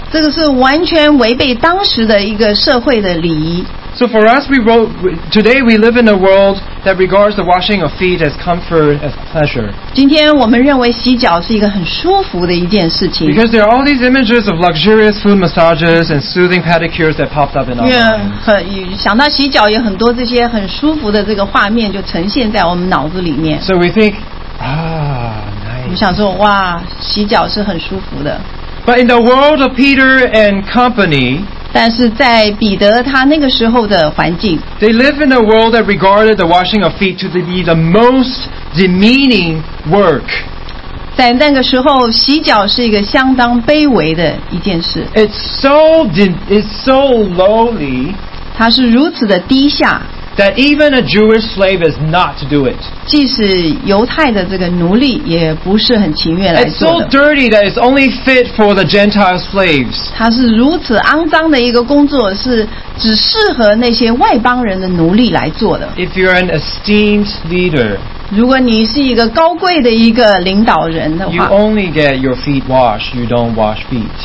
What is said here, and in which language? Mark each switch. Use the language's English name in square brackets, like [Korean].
[Chinese] 这个是完全违背当时的一个社会的礼仪。 [English] So for us, today we live in a world that regards the washing of feet as comfort, as pleasure. [Chinese] 今天我们认为洗脚是一个很舒服的一件事情。 [English] Because there are all these images of luxurious foot massages and soothing pedicures that popped up in our minds. [Chinese] 想到洗脚，有很多这些很舒服的这个画面就呈现在我们脑子里面。 [English] So we think, [Chinese] 我们想说，哇，洗脚是很舒服的。 [English] But in the world of Peter and company, [Chinese] 但是在彼得他那个时候的环境 [English] They live in a world that regarded the washing of feet to be the most demeaning work [Chinese] 在那个时候洗脚是一个相当卑微的一件事 [English] It's so lowly [Chinese] 它是如此的低下 [English] That even a Jewish slave is not to do it [Chinese] 即使犹太的这个奴隶也不是很情愿来做的 [English] It's so dirty that it's only fit for the Gentile slaves [Chinese] 它是如此肮脏的一个工作是只适合那些外邦人的奴隶来做的 [English] If you're an esteemed leader [Chinese] 如果你是一个高贵的一个领导人的话 [English] You only get your feet washed, you don't wash feet